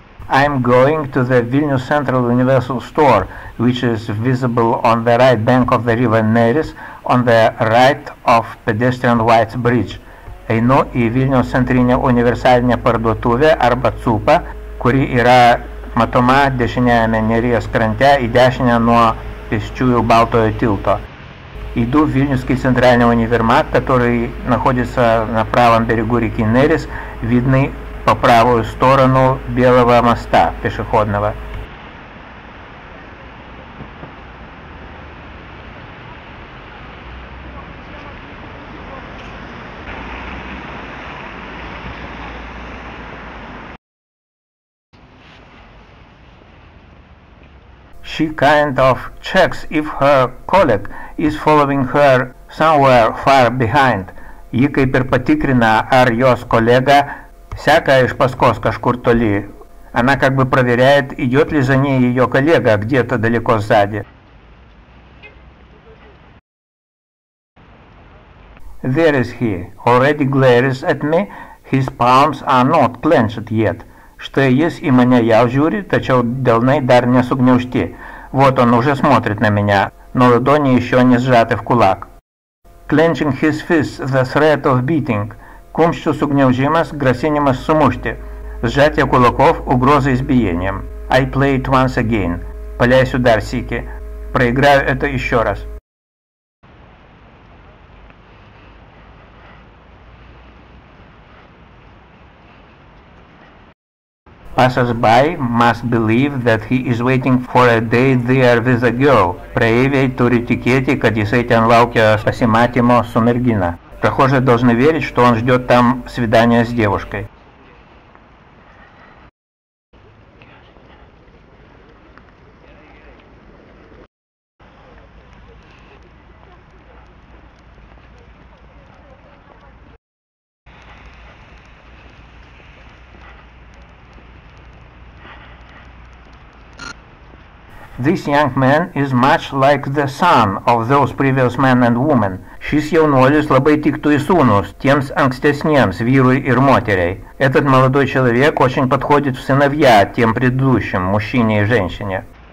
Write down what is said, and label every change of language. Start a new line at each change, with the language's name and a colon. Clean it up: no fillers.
English: I'm going to the Vilnius Central Universal Store, which is visible on the right bank of the river Neris, on the right of pedestrian white bridge.
Lithuanian: Einu į Vilnius centrinę universalinę parduotuvę arba cupą, kuri yra matoma dešiniajame Neries krante į dešinę nuo pėsčiųjų baltojo tilto.
Russian: Иду в Вильнюсский центральный универмаг, который находится на правом берегу реки Нерис, видный по правую сторону белого моста пешеходного.
English: She kind of checks if her colleague is following her somewhere far behind.
Lithuanian: Ji kaip ir patikrina, ar jos kolega seka iš paskos kažkur toli.
Russian: Она как бы проверяет, идет ли за ней ее коллега где-то далеко сзади.
English: There is he. Already glares at me. His palms are not clenched yet.
Lithuanian: Štai jis į mane jau žiūri, tačiau delnai dar nesugniaužti.
Russian: Вот он уже смотрит на меня, но ладони еще не сжаты в кулак.
English: Clenching his fist, the threat of beating.
Lithuanian: Кумщу сугнявжимас, грасинимас сумушти.
Russian: Сжатие кулаков, угроза избиением.
English: I play it once again.
Lithuanian: Поляюсь удар сики.
Russian: Проиграю это еще раз.
English: Passers-by must believe that he is waiting for a day there with a girl.
Lithuanian: Praeiviai turi tikėti, kad jisai ten laukia pasimatymo su mergina.
Russian: Прохожие должны верить, что он ждет там свидания с девушкой.
English: This young man is much like the son of those previous men and women.
Lithuanian: Šis jaunuolis labai tiktų į sūnus, tiems ankstesniems vyrui ir moteriai.
Russian: Этот молодой человек очень подходит в сыновья тем предыдущим, мужчине и женщине.